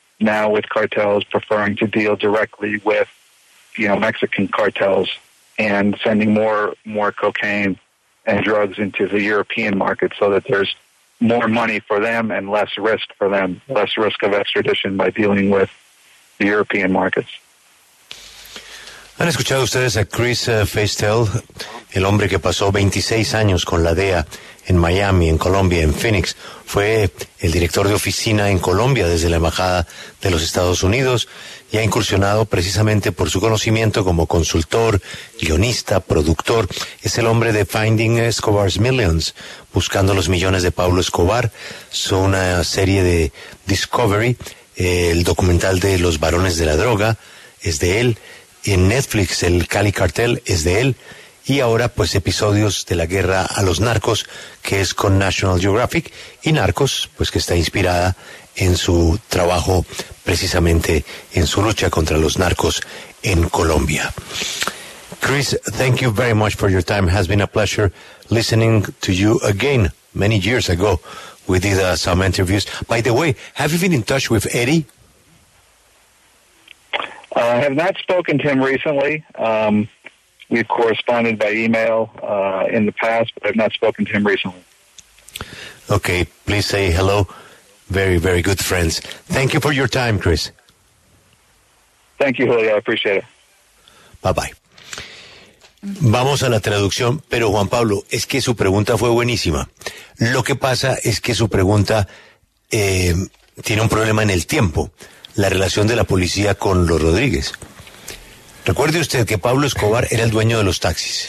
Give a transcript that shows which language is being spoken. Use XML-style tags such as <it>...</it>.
<en>Now with cartels preferring to deal directly with, you know, Mexican cartels and sending more cocaine and drugs into the European market so that there's more money for them and less risk for them, less risk of extradition by dealing with the European markets.</en> <es>¿Han escuchado ustedes a Chris Feistel, el hombre que pasó 26 años con la DEA en Miami, en Colombia, en Phoenix? Fue el director de oficina en Colombia desde la Embajada de los Estados Unidos y ha incursionado precisamente por su conocimiento como consultor, guionista, productor. Es el hombre de Finding Escobar's Millions, Buscando los Millones de Pablo Escobar. Es una serie de Discovery, el documental de los varones de la droga es de él. En Netflix, el Cali Cartel es de él. Y ahora, pues, episodios de la guerra a los narcos, que es con National Geographic. Y Narcos, pues, que está inspirada en su trabajo, precisamente en su lucha contra los narcos en Colombia.</es> <en>Chris, thank you very much for your time. It has been a pleasure listening to you again. Many years ago, we did some interviews. By the way, have you been in touch with Eddie? I have not spoken to him recently. We've corresponded by email in the past, but I've not spoken to him recently. Okay, please say hello. Very, very good friends. Thank you for your time, Chris. Thank you, Julio. I appreciate it. Bye-bye.</en> <es>Vamos a la traducción, pero Juan Pablo, es que su pregunta fue buenísima. Lo que pasa es que su pregunta tiene un problema en el tiempo. La relación de la policía con los Rodríguez. Recuerde usted que Pablo Escobar era el dueño de los taxis.</es>